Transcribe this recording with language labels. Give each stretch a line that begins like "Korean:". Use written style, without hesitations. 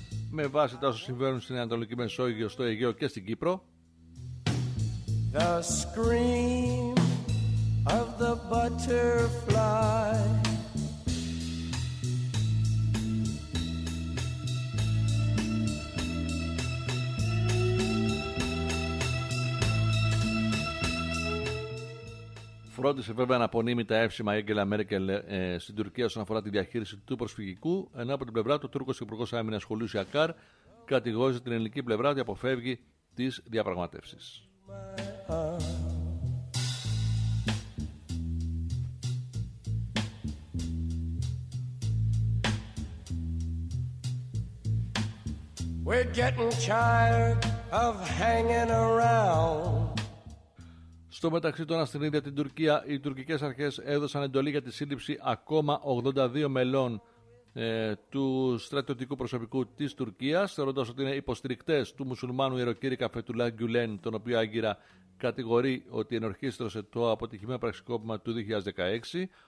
Greek: Με βάση τα όσα συμβαίνουν στην Ανατολική Μεσόγειο, στο Αιγαίο και στην Κύπρο.
English: The scream of the butterfly.
Greek: Φρόντισε βέβαια να απονείμει τα εύσημα η Άγγελα Μέρκελ στην Τουρκία όσον αφορά τη διαχείριση του προσφυγικού, ενώ από την πλευρά του Τούρκος Υπουργός Άμυνας Χουλίου Σιακάρ κατηγόρησε την ελληνική πλευρά ότι αποφεύγει τις διαπραγματεύσεις.
English: We're getting tired of hanging around.
Greek: Στο μεταξύ τώρα στην ίδια την Τουρκία, οι τουρκικές αρχές έδωσαν εντολή για τη σύλληψη ακόμα 82 μελών του στρατιωτικού προσωπικού της Τουρκίας, θεωρώντας ότι είναι υποστηρικτές του μουσουλμάνου ιεροκήρυκα Φετουλά Γκιουλέν, τον οποίο Άγκυρα κατηγορεί ότι ενορχίστρωσε το αποτυχημένο πραξικόπημα του 2016.